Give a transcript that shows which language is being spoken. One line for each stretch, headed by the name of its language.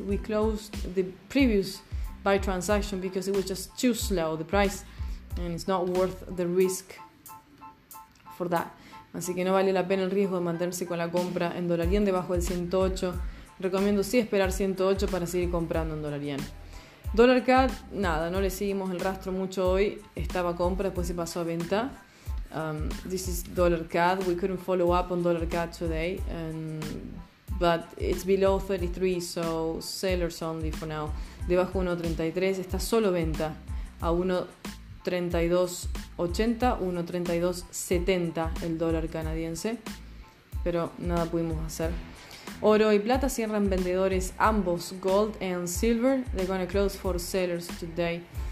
English: We closed the previous buy transaction because it was just too slow the price and it's not worth the risk for that.
Spanish: Así que no vale la pena el riesgo de mantenerse con la compra en dólar yen debajo del 108. Recomiendo sí esperar 108 para seguir comprando en dólar yen. Dólar CAD, nada, no le seguimos el rastro mucho hoy. Estaba compra, después se pasó a venta.
English: This is dólar CAD. We couldn't follow up on dólar CAD today, but it's below 33, so sellers only for now.
Spanish: Debajo 1.33, está solo venta a 1.3280, 1.3270 el dólar canadiense, pero nada pudimos hacer. Oro y plata cierran vendedores ambos,
English: gold and silver, they're gonna close for sellers today.